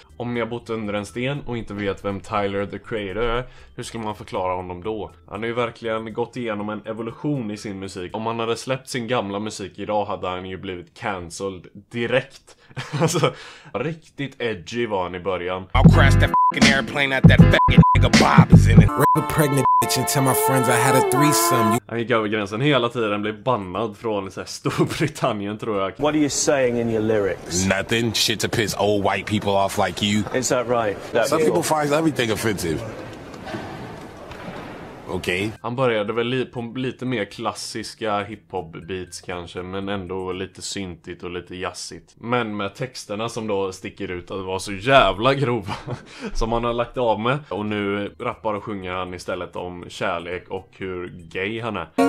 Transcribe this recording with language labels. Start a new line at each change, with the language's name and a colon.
Swedish: Om ni har bott under en sten och inte vet vem Tyler the Creator är, hur skulle man förklara honom då? Han har ju verkligen gått igenom en evolution i sin musik. Om han hade släppt sin gamla musik idag hade han ju blivit cancelled direkt. Alltså, riktigt edgy var han i början.
English: I'll crash that f***ing airplane at that f***ing nigga Bob is in it. Rape a pregnant bitch and tell my friends I had a threesome.
Swedish: Han gick över gränsen hela tiden, blev bannad från så här, Storbritannien tror jag.
English: What are you saying in your lyrics? Nothing, shit to piss old white people off like you. Is that right? That some people find everything offensive. Okay.
Swedish: Han började väl på lite mer klassiska hiphop beats kanske, men ändå lite syntigt och lite jazzigt. Men med texterna som då sticker ut att vara så jävla grova som han har lagt av med. Och nu rappar och sjunger han istället om kärlek och hur gay han är.